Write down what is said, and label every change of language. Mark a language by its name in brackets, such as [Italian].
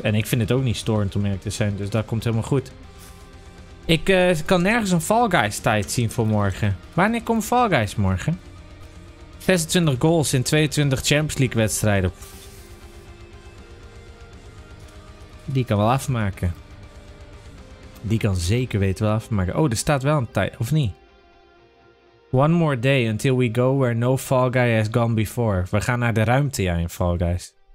[Dutch] En ik vind het ook niet storend om eerlijk te zijn. Dus dat komt helemaal goed. Ik kan nergens een Fall Guys tijd zien voor morgen. Wanneer komt Fall Guys morgen? 26 goals in 22 Champions League wedstrijden. Die kan wel afmaken. Die kan zeker weten wel afmaken. Oh, er staat wel een tijd, of niet? [English] One more day until we go where no Fall Guy has gone before. [Dutch] We gaan naar de ruimte, ja, in Fall Guys.